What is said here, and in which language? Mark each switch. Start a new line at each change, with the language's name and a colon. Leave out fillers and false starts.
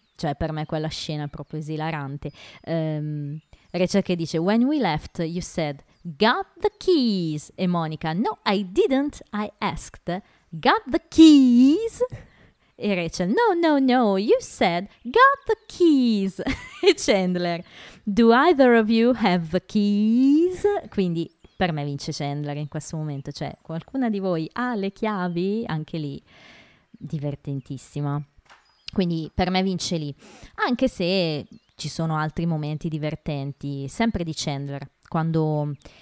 Italian: Cioè per me quella scena è proprio esilarante. Rachel che dice
English: when we left you said got the keys,
Italian: e Monica
English: no I didn't, I asked got the keys, E Rachel, no, no, no, you said got the keys. E Chandler, do either of you have the keys?
Italian: Quindi per me vince Chandler in questo momento. Cioè, qualcuna di voi ha le chiavi? Anche lì, divertentissima. Quindi per me vince lì. Anche se ci sono altri momenti divertenti, sempre di Chandler, quando...